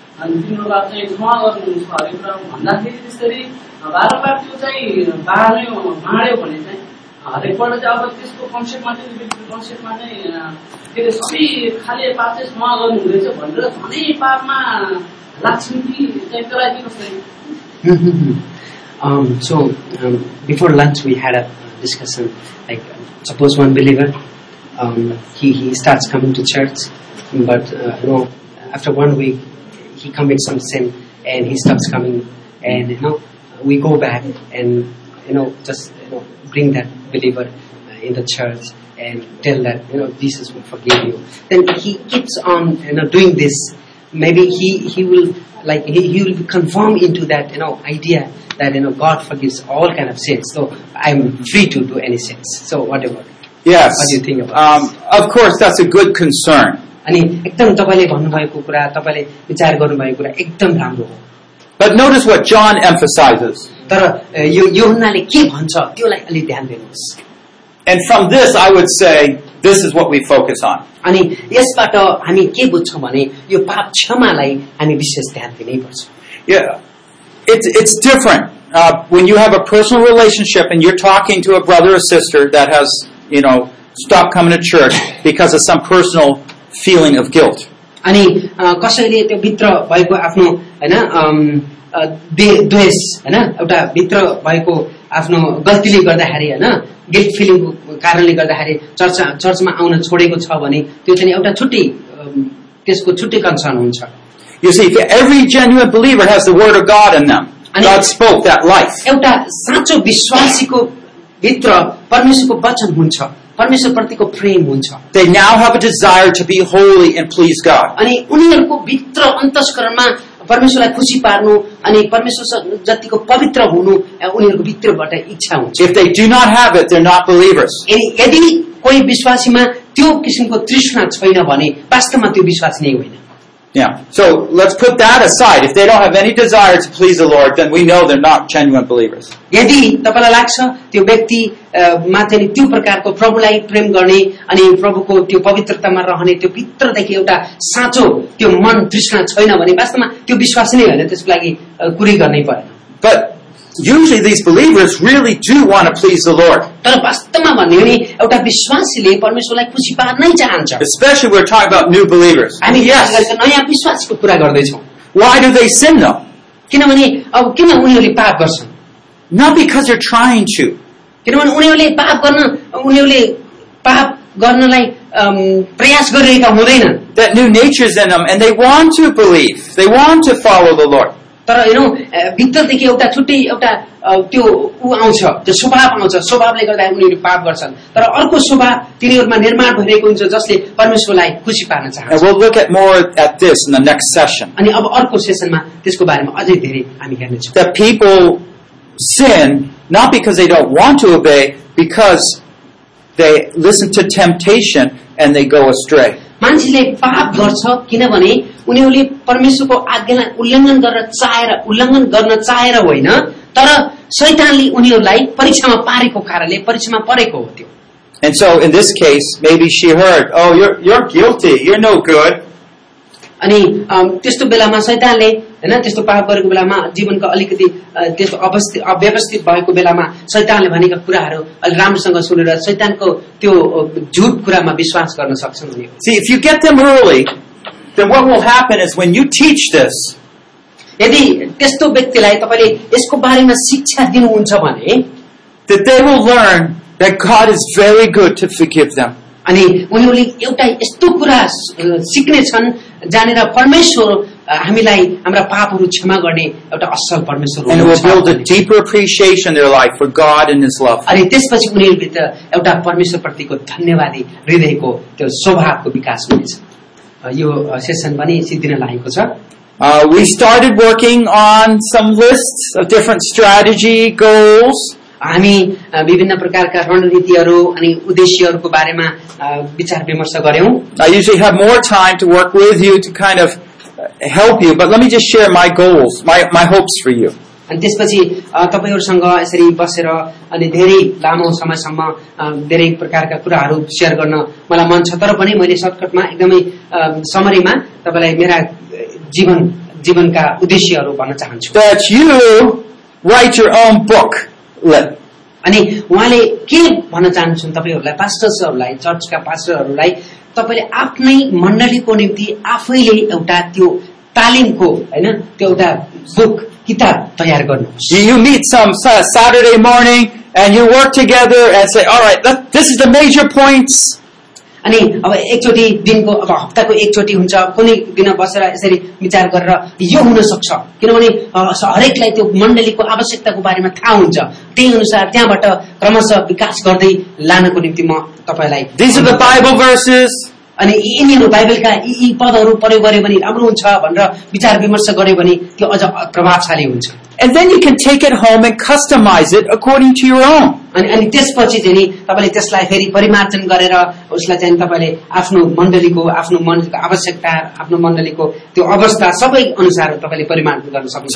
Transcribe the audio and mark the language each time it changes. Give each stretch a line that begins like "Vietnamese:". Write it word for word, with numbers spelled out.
Nepali: अनि तिम्रो पाप चाहिँ क्षमा गर्नुहुन्छ हरेक कुरा भन्दाखेरि त्यसरी बारम्बार त्यो चाहिँ बाह्यो बाँड्यो भने चाहिँ हरेकपल्ट चाहिँ अब त्यसको कन्सेप्टमा चाहिँ कन्सेप्टमा चाहिँ के अरे सबै खाले पाप चाहिँ क्षमा गर्नु हुँदैछ भनेर झनै पापमा लाग्छौँ कि चाहिँ त्यसलाई चाहिँ कसरी।
English: Um, so, um, before lunch we had a discussion, like, suppose one believer, um, he, he starts coming to church, but, uh, you know, after one week, he commits some sin, and he stops coming, and, you know, we go back, and, you know, just, you know, bring that believer uh, in the church, and tell that, you know, Jesus will forgive you. Then he keeps on, you know, doing this. Maybe he, he will, like, he, he will conform into that, you know, idea that, you know, God forgives all kind of sins. So, I'm free to do any sins. So, whatever. Yes. What do you think about Um, of course, that's a good concern.
Nepali: अनि एकदम तपाईँले भन्नुभएको कुरा, तपाईँले विचार गर्नुभएको कुरा एकदम राम्रो हो।
English: But notice what John emphasizes.
Nepali: तर अ, यो यूहन्नाले के भन्छ त्योलाई अलि ध्यान दिनुहोस्।
English: And from this, I would say, this is what we focus on.
Nepali: अनि यसबाट हामी के बुझ्छौँ भने यो पाप क्षमालाई हामी विशेष ध्यान दिनैपर्छ।
English: Yeah. It's, it's different. Uh, when you have a personal relationship and you're talking to a brother or sister that has, you know, stopped coming to church because of some personal feeling of guilt.
Nepali: अनि a, कसैले त्यो भित्र भएको आफ्नो होइन अम, a, द्वे- द्वेष होइन एउटा भित्र भएको आफ्नो गल्तीले गर्दाखेरि होइन गिल्ट फिलिङको कारणले गर्दाखेरि चर्च चर्चमा आउन छोडेको छ भने त्यो चाहिँ एउटा छुट्टै अम, त्यसको छुट्टै कन्सर्न हुन्छ।
English: You see, every genuine believer has the Word of God in them. And- God spoke that life.
Nepali: एउटा साँचो विश्वासीको भित्र परमेश्वरको वचन हुन्छ, परमेश्वरप्रतिको प्रेम हुन्छ,
English: They now have a desire to be holy and please God.
Nepali: अनि उनीहरूको भित्र अन्तस्करणमा परमेश्वरलाई खुसी पार्नु अनि परमेश्वर जतिको पवित्र हुनु अ, उनीहरूको भित्रबाट इच्छा हुन्छ।
English: If they do not have it, they're not believers.
Nepali: यदि यदि कोही विश्वासीमा त्यो किसिमको तृष्णा छैन भने वास्तवमा त्यो विश्वासी नै होइन।
English: Yeah. So let's put that aside. If they don't have any desire to please the Lord, then we know they're not genuine believers.
Nepali: यदि तपाईँलाई लाग्छ त्यो व्यक्ति अ, मा चाहिँ त्यो प्रकारको प्रभुलाई प्रेम गर्ने अनि प्रभुको त्यो पवित्रतामा रहने त्यो भित्रदेखि एउटा साँचो त्यो मन तृष्णा छैन भने वास्तवमा त्यो विश्वास नै होइन, त्यसको लागि अ, कुरै गर्नै परेन।
English: But usually these believers really do want to please the Lord.
Nepali: तर वास्तवमा भन्यो भने एउटा विश्वासीले परमेश्वरलाई खुसी पार्नै चाहन्छ।
English: Especially we're talking about new believers.
Nepali: हामी खास गरेर नयाँ विश्वासको कुरा गर्दैछौँ,
English: Why do they sin though?
Nepali: किनभने अब किन उनीहरूले पाप गर्छन्?
English: Not because they're trying to.
Nepali: किनभने उनीहरूले पाप गर्न उनीहरूले पाप गर्नलाई अम, प्रयास गरिरहेका हुँदैनन्।
English: That new nature's in them and they want to believe. They want to follow the Lord.
Nepali: तर हेरौँ अ, भित्रदेखि एउटा छुट्टै एउटा अ, त्यो ऊ आउँछ, त्यो स्वभाव आउँछ, स्वभावले गर्दा उनीहरू पाप गर्छन्। तर अर्को स्वभाव तिनीहरूमा निर्माण भइरहेको हुन्छ जसले परमेश्वरलाई खुसी पार्न चाहन्छ।
English: And we'll look at more at this in the next session.
Nepali: अनि अब अर्को सेसनमा त्यसको बारेमा अझै धेरै हामी हेर्नेछौँ।
English: That people sin not because they don't want to obey, because they listen to temptation and they go astray.
Nepali: मान्छेले पाप गर्छ किनभने उनीहरूले परमेश्वरको आज्ञालाई उल्लङ्घन गर्न चाहेर उल्लङ्घन गर्न चाहेर होइन, तर शैतानले उनीहरूलाई परीक्षामा पारेको कारणले परीक्षामा परेको हो त्यो।
English: And so in this case, maybe she heard, "Oh, you're you're guilty. You're no good."
Nepali: अनि अम, त्यस्तो बेलामा शैतानले होइन त्यस्तो पाप गरेको बेलामा जीवनका अलिकति अ, त्यस्तो अवस्थित अव्यवस्थित भएको बेलामा शैतानले भनेका कुराहरू अलि राम्रोसँग सुनेर शैतानको त्यो अ, झुट कुरामा विश्वास गर्न सक्छन् उनीहरू।
English: See, if you get them early, then what will happen is when you teach this,
Nepali: यदि त्यस्तो व्यक्तिलाई तपाईँले यसको बारेमा शिक्षा दिनुहुन्छ भने
English: that they will learn that God is very good to forgive them.
Nepali: अनि उनीहरूले एउटा यस्तो कुरा अ, सिक्नेछन् जानेर परमेश्वर अ, हामीलाई हाम्रा पापहरू क्षमा गर्ने एउटा असल परमेश्वर
English: And will build a deeper appreciation in their life for God and His love.
Nepali: अनि त्यसपछि उनीहरूभित्र एउटा परमेश्वरप्रतिको धन्यवादी हृदयको त्यो स्वभावको विकास हुनेछ। यो सेसन पनि सिद्धिन लागेको छ।
English: Uh, we started working on some lists of different strategy goals.
Nepali: हामी विभिन्न प्रकारका रणनीतिहरू अनि उद्देश्यहरूको बारेमा विचार विमर्श गर्यौं।
English: I usually have more time to work with you to kind of help you, but let me just share my goals, my my hopes for you.
Nepali: अनि त्यसपछि तपाईहरुसँग यसरी बसेर अनि धेरै लामो समयसम्म धेरै प्रकारका कुराहरू शेयर गर्न मलाई मन छ, तर पनि मैले सर्टकटमा एकदमै समरीमा तपाईलाई मेरा जीवन जीवनका उद्देश्यहरू भन्न चाहन्छु।
English: That you write your own book.
Nepali: अनि उहाँले के भन्न चाहन्छन् तपाईहरूलाई पास्टर्सहरूलाई चर्चका पास्टरहरूलाई तपाईले आफ्नै मण्डलीको निम्ति आफैले एउटा त्यो तालिमको हैन त्यो एउटा बुक किताब तयार गर्नुहोस्।
English: You meet some Saturday morning and you work together and say, all right, this is the major points.
Nepali: अनि अब एकचोटि दिनको अब हप्ताको एकचोटि हुन्छ कुनै दिन बसेर यसरी विचार गरेर यो हुन सक्छ किनभने हरेकलाई त्यो मण्डलीको आवश्यकताको बारेमा थाहा हुन्छ त्यही अनुसार त्यहाँबाट क्रमशः विकास गर्दै लानको निम्ति म तपाईलाई
English: These are the Bible verses.
Nepali: अनि यिनीहरू बाइबलका यी यी पदहरू प्रयोग गरे भने राम्रो हुन्छ भनेर विचार विमर्श गरे भने त्यो अझ प्रभावशाली हुन्छ।
English: And then you can take it home and customize it according to your own.
Nepali: अनि अनि त्यसपछि चाहिँ नि तपाईले त्यसलाई फेरि परिमार्जन गरेर उसलाई चाहिँ तपाईले आफ्नो मण्डलीको आफ्नो मण्डलीको आवश्यकता आफ्नो मण्डलीको त्यो अवस्था सबै अनुसार तपाईले परिमार्जन गर्न सक्नुहुन्छ।